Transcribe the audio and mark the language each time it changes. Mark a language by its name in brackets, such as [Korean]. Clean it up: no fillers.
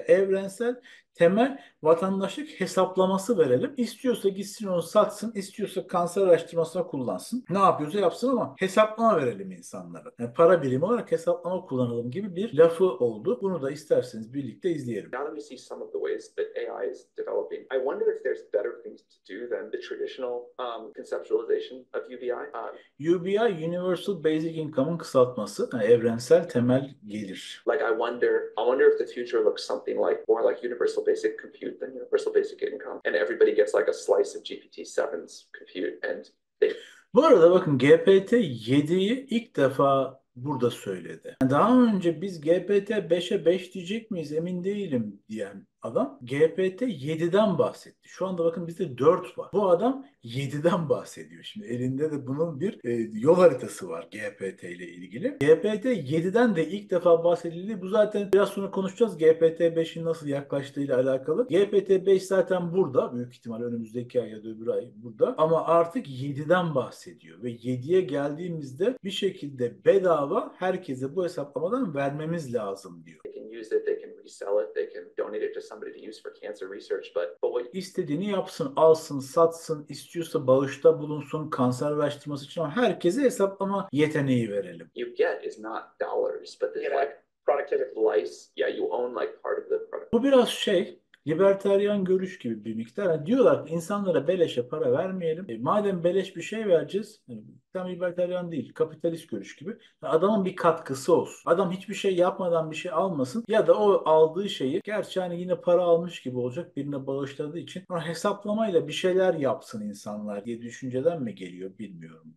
[Turkish] Evrensel temel vatandaşlık hesaplaması verelim. İstiyorsa gitsin onu satsın, istiyorsa kanser araştırmasına kullansın. Ne yapıyorsa yapsın ama hesaplama verelim insanlara. Yani para birimi olarak hesaplama kullanalım gibi bir lafı oldu. Bunu da isterseniz birlikte izleyelim. [English] Now that we see some of the ways that AI is developing, I wonder if there's better things to do than the traditional conceptualization of UBI. [Turkish] UBI, Universal Basic Income'ın kısaltması. Yani evrensel temel gelir. [English] Like I wonder if the future looks something like more like Universal Basic Compute than Universal Basic Income, and everybody gets like a slice of GPT-7's compute, and they. [Turkish] Bu arada bakın, GPT-7'yi ilk defa burada söyledi. Daha önce biz GPT-5'e 5 diyecek miyiz emin değilim diyen adam GPT-7'den bahsetti. Şu anda bakın bizde 4 var. Bu adam 7'den bahsediyor. Şimdi elinde de bunun bir yol haritası var GPT ile ilgili. GPT-7'den de ilk defa bahsedildi. Bu zaten biraz sonra konuşacağız GPT-5'in nasıl yaklaştığı ile alakalı. GPT-5 zaten burada. Büyük ihtimal önümüzdeki ay ya da öbür ay burada. Ama artık 7'den bahsediyor. Ve 7'ye geldiğimizde bir şekilde bedava herkese bu hesaplamadan vermemiz lazım diyor. [English] Sell it, they can donate it to somebody to use for cancer research, but what [Turkish] istediğini yapsın, alsın, satsın, istiyorsa bağışta bulunsun, kanser araştırması için, ama herkese hesaplama yeteneği verelim. [English] You get is not dollars, but this like productivity slice, yeah, you own like part of the product. [Turkish] Bu biraz şey, libertarian görüş gibi bir miktar. Yani diyorlar ki insanlara beleşe para vermeyelim. Madem beleş bir şey vereceğiz, tam libertarian değil, kapitalist görüş gibi. Yani adamın bir katkısı olsun. Adam hiçbir şey yapmadan bir şey almasın ya da o aldığı şeyi, gerçi hani yine para almış gibi olacak birine bağışladığı için, ama hesaplamayla bir şeyler yapsın insanlar diye düşünceden mi geliyor bilmiyorum.